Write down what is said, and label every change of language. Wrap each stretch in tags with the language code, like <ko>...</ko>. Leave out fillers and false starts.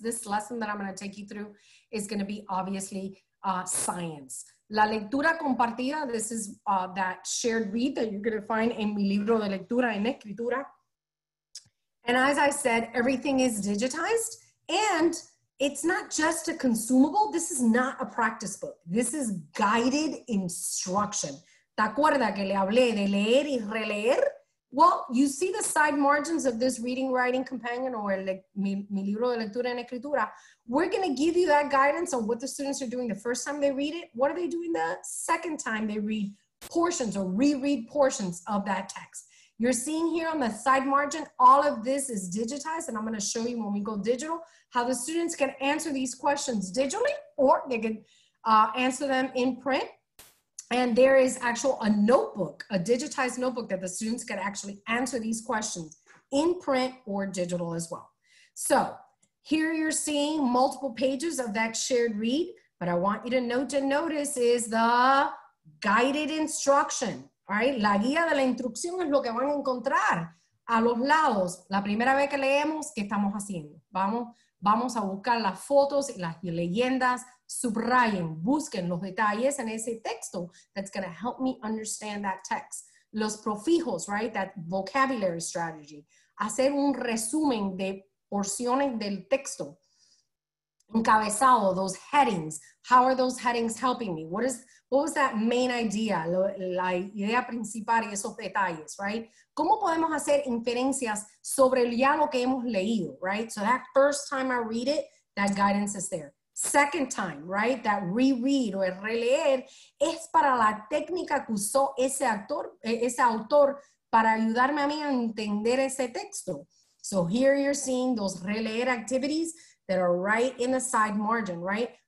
<en>This lesson that I'm going to take you through is going to be obviously science.</en> <es>La lectura compartida,</es> <en>this is that shared read that you're going to find in</en> <es>mi libro de lectura en escritura.</es> <en>And as I said, everything is digitized, and it's not just a consumable. This is not a practice book. This is guided instruction.</en> <es>¿Te acuerdas que le hablé de leer y releer?</es> <en>Well, you see the side margins of this reading, writing companion, or</en> <es>mi libro de lectura en escritura.</es> <en>We're going to give you that guidance on what the students are doing the first time they read it. What are they doing the second time they read portions or reread portions of that text? You're seeing here on the side margin, all of this is digitized, and I'm going to show you when we go digital how the students can answer these questions digitally, or they can answer them in print. And there is actually a notebook, a digitized notebook, that the students can actually answer these questions in print or digital as well. So here you're seeing multiple pages of that shared read, but I want you to note and notice is the guided instruction. All right,</en> <es>la guía de la instrucción es lo que van a encontrar a los lados. La primera vez que leemos, ¿qué estamos haciendo? Vamos a buscar las fotos y las leyendas, subrayen, busquen los detalles en ese texto</es> <en>that's going to help me understand that text.</en> <es>Los prefijos, right,</es> <en>that vocabulary strategy.</en> <es>Hacer un resumen de porciones del texto.</es> <en>Encabezado, those headings. How are those headings helping me? What was that main idea?</en> <es>La idea principal y esos detalles,</es> <en>right?</en> <es>¿Cómo podemos hacer inferencias sobre ya lo que hemos leído, right?</es> <en>So that first time I read it, that guidance is there. Second time, right? That reread</en> <es>or releer es para la técnica que usó ese autor para ayudarme a mí a entender ese texto.</es> <en>So here you're seeing those releer activities that are right in the side margin, right?</en>